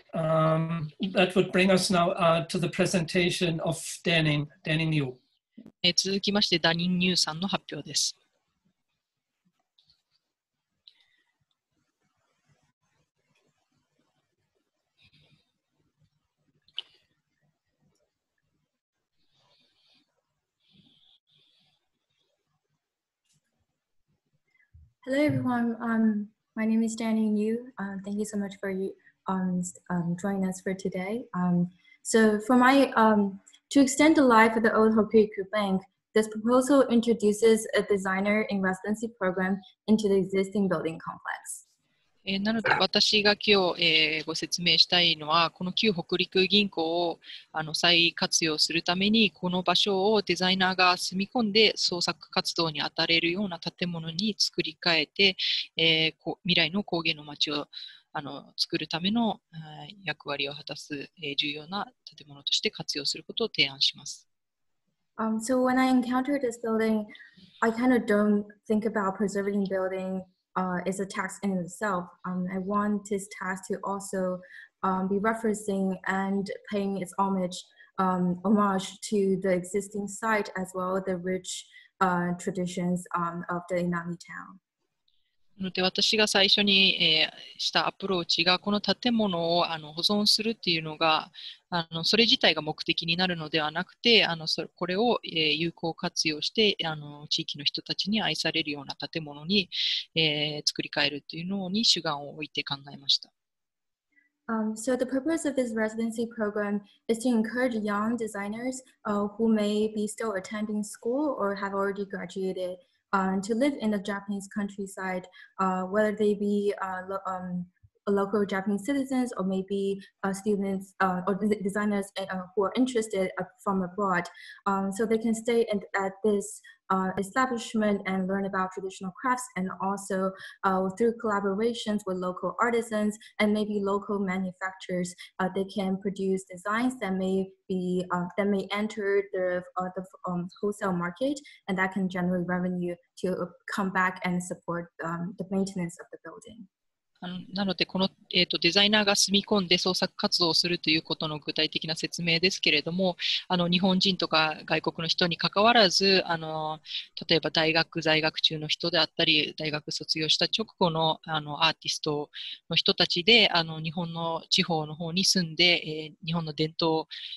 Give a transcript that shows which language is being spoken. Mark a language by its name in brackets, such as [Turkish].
[English] That would bring us now to the presentation of Danning Yu. [Japanese] 続きまして、ダニン・ニューさんの発表です。 [English] Hello, everyone. My name is Danning Yu. Thank you so much for you. join us for today. So for my, to extend the life of the old Hokuriku Bank, this proposal introduces a designer in residency program into the existing building complex. [Japanese] なので私が今日、ご説明したいのは、この旧北陸銀行を再活用するために、この場所をデザイナーが住み込んで創作活動に当たれるような建物に作り変えて、未来の工芸の街を作るための役割を果たす重要な建物として活用することを提案します。 [English] So when I encountered this building, I kind of don't think about preserving building is a task in itself. I want this task to also be referencing and paying its homage, homage to the existing site as well as the rich traditions of the Inami town. [Japanese] で私が最初に、したアプローチがこの建物を保存するっていうのがそれ自体が目的になるのではなくてこれを、有効活用して地域の人たちに愛されるような建物に、作り変えるというのに主眼を置いて考えました。 [English] So the purpose of this residency program is to encourage young designers, who may be still attending school or have already graduatedto live in the Japanese countryside, whether they be local Japanese citizens or maybe students or designers who are interested from abroad. So they can stay in, at this establishment and learn about traditional crafts and also through collaborations with local artisans and maybe local manufacturers, they can produce designs that may be that may enter the wholesale market and that can generate revenue to come back and support the maintenance of the building. [Japanese] なのでこの、デザイナーが住み込んで創作活動をするということの具体的な説明ですけれども、日本人とか外国の人に関わらず、例えば大学在学中の人であったり大学卒業した直後 の, アーティストの人たちで日本の地方の方に住んで、日本の伝統、